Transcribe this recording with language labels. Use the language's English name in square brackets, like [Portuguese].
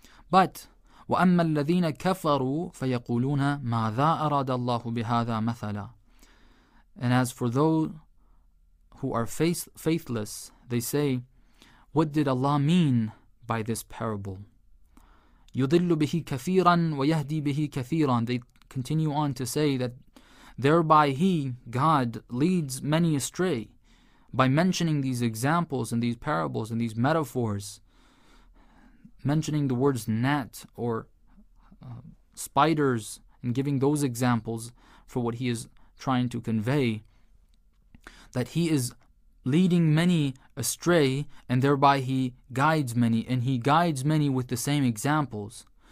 [English] But [Arabic] وَأَمَّا الَّذِينَ كَفَرُوا فَيَقُولُونَ مَاذَا أَرَادَ اللَّهُ بِهَذَا مَثَلًا. [English] And as for those who are faithless, they say, what did Allah mean by this parable? [Arabic] يُضِلُّ بِهِ كَثِيرًا وَيَهْدِي بِهِ كَثِيرًا. [English] They continue on to say that thereby He, God, leads many astray by mentioning these examples and these parables and these metaphors, mentioning the words gnat or spiders and giving those examples for what He is trying to convey, that He is leading many astray and thereby He guides many, and He guides many with the same examples.